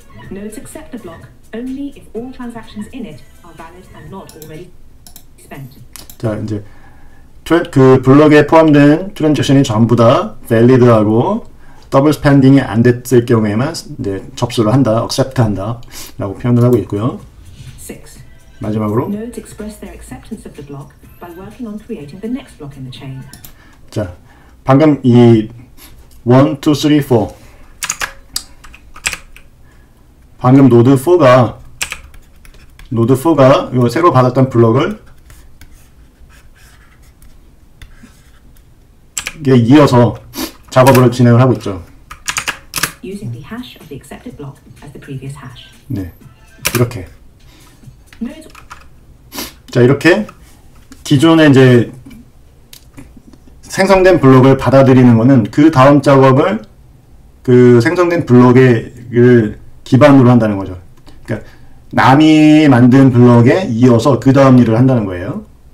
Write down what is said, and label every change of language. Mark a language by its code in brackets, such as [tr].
[en] Nodes accept a block only if all transactions in it are valid and not already spent. [ko] 자, 이제 그 블록에 포함된 트랜잭션이 전부 다 valid하고 더블 스펜딩이 안 됐을 경우에만 이제 접수를 한다, accept 한다라고 표현을 하고 있고요. 6. 마지막으로 [en] Nodes express their acceptance of the block by working on creating the next block in the chain. [ko] 자, 방금 이 1, 2, 3, 4, 방금 노드 4가 이거 새로 받았던 블록을 이게 이어서 작업을 진행을 하고 있죠. [en] Using the hash of the accepted block as the previous hash. [ko] 네, 이렇게. 자, 이렇게 기존에 이제 생성된 블록을 받아들이는 거는 그 다음 작업을 그 생성된 블록을 기반으로 한다는 거죠. 그러니까 남이 만든 블럭에 이어서 그 다음 일을 한다는 거예요.